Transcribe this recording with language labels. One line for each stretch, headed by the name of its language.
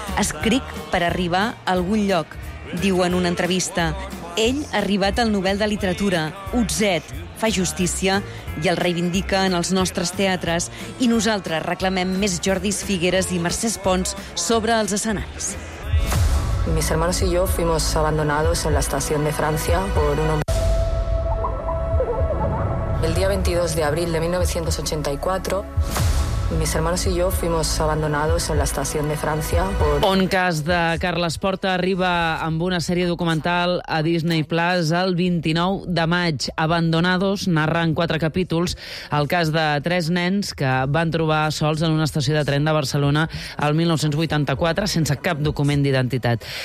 Catalan: Escric per arribar a algun lloc, diu en una entrevista. Ell ha arribat al Nobel de Literatura, Utzet, fa justícia i el reivindica en els nostres teatres, i nosaltres reclamem més Jordis Figueres i Mercès Pons sobre els escenaris.
Spanish: Mis hermanos y yo fuimos abandonados en la estación de Francia por un hombre. El día 22 de abril de 1984... Mis hermanos y yo fuimos abandonados en la estación de Francia.
Catalan: Un cas de Carles Porta arriba amb una sèrie documental a Disney Plus el 29 de maig. Abandonados narra en 4 capítols el cas de 3 nens que van trobar sols en una estació de tren de Barcelona el 1984 sense cap document d'identitat.